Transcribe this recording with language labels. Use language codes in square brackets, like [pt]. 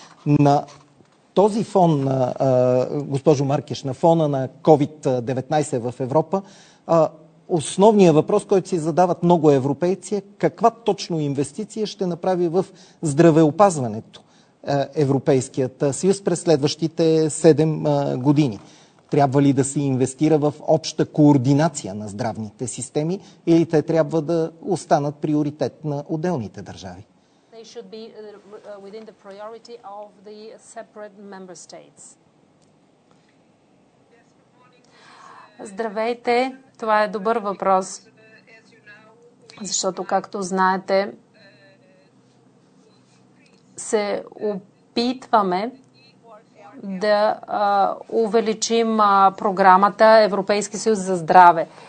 [bg] На този фон, госпожо Маркеш, на фона на COVID-19 в Европа, основният въпрос, който си задават много европейци, е каква точно инвестиция ще направи в здравеопазването Европейският съюз през следващите 7 години. Трябва ли да се инвестира в обща координация на здравните системи или те трябва да останат приоритет на отделните държави? [en] They should be within the priority of the separate member states. [bg] Здравейте, това е добър въпрос, защото, както знаете, се опитваме да увеличим програмата Европейски съюз за здраве.